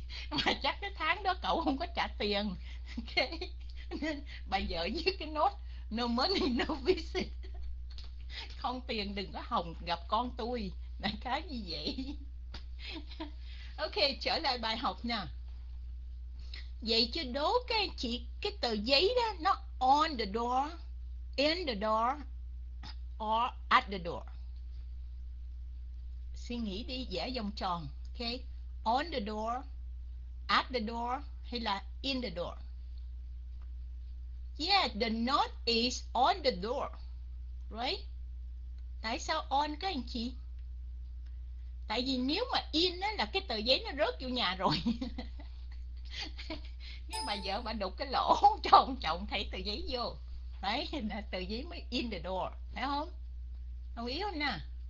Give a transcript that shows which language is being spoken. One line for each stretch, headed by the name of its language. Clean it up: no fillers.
Vietnamese: Mà chắc cái tháng đó cậu không có trả tiền khí. Nên bà vợ viết cái nốt
English: no money no visit,
Vietnamese: không tiền đừng có hòng gặp con tôi, đại khái như vậy. Ok, trở lại bài học nha. Vậy chứ đố cái chị cái tờ giấy đó, nó
English: on the door, in the door, or at the door?
Vietnamese: Suy nghĩ đi, vẽ vòng tròn.
English: Ok, on the door, at the door,
Vietnamese: hay là
English: in the door? Yeah, the note is on the door, right?
Vietnamese: Tại sao on các anh chị? Tại vì nếu mà in á là cái tờ giấy nó rớt vô nhà rồi. Nếu bà vợ bà đục cái lỗ cho ông chồng thấy tờ giấy vô đấy là tờ giấy mới
English: in the door,
Vietnamese: phải không? Đồng ý không nè?